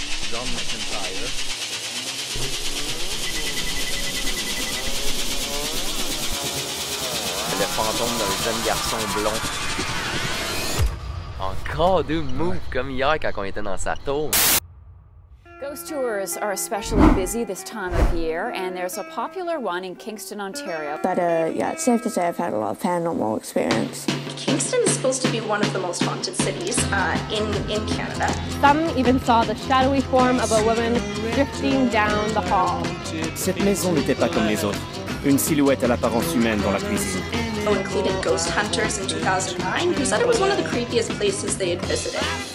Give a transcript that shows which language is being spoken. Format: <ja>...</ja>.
<en>John McIntyre.</en> <fr>Le fantôme d'un jeune garçon blond. Encore deux moves comme hier quand on était dans sa tour.</fr> <en>Ghost tours are especially busy this time of year, and there's a popular one in Kingston, Ontario. But yeah, it's safe to say I've had a lot of paranormal experience. Kingston is supposed to be one of the most haunted cities in Canada. Some even saw the shadowy form of a woman drifting down the hall.</en> <fr>Cette maison n'était pas comme les autres. Une silhouette à l'apparence humaine dans la cuisine.</fr> <en>Oh, included ghost hunters in 2009, who said it was one of the creepiest places they had visited.</en>